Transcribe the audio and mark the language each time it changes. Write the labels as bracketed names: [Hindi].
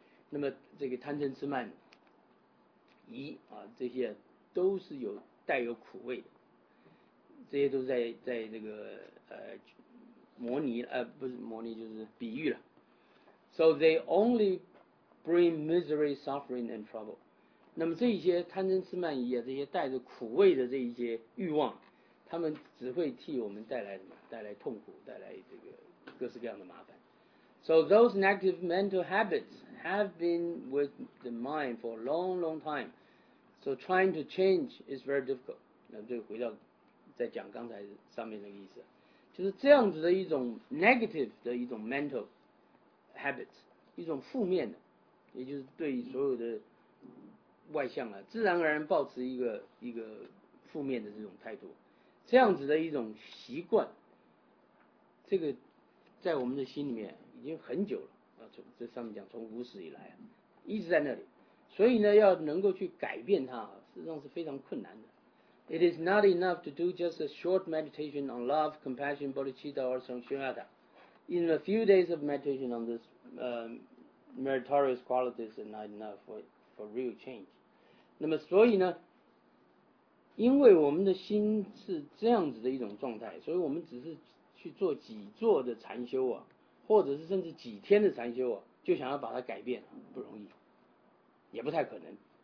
[Chinese] 那么这个贪嗔痴慢疑啊，这些都是有带有苦味的，这些都在这个模拟不是模拟，就是比喻了。 [English] So they only bring misery, suffering, and trouble. [Chinese] 那么这些贪嗔痴慢疑啊，这些带着苦味的这一些欲望，他们只会替我们带来什么？带来痛苦，带来这个各式各样的麻烦。 [English] So those negative mental habits have been with the mind for a long, long time. So trying to change is very difficult. [Chinese] 那就回到再讲刚才上面那个意思，就是这样子的一种 negative 的一种 mental habits， 一种负面的，也就是对所有的外向啊，自然而然抱持一个负面的这种态度，这样子的一种习惯，这个在我们的心里面已经很久了，从这上面讲从无始以来一直在那里，所以呢要能够去改变它，事实上是非常困难的。 [English] It is not enough to do just a short meditation on love, compassion, bodhicitta or sanshunyata. In a few days of meditation on this meritorious qualities is not enough for real change. [Chinese] 那么所以呢，因为我们的心是这样子的一种状态，所以我们只是去做几座的禅修啊，或者是甚至几天的禅修啊，就想要把它改变，不容易，也不太可能。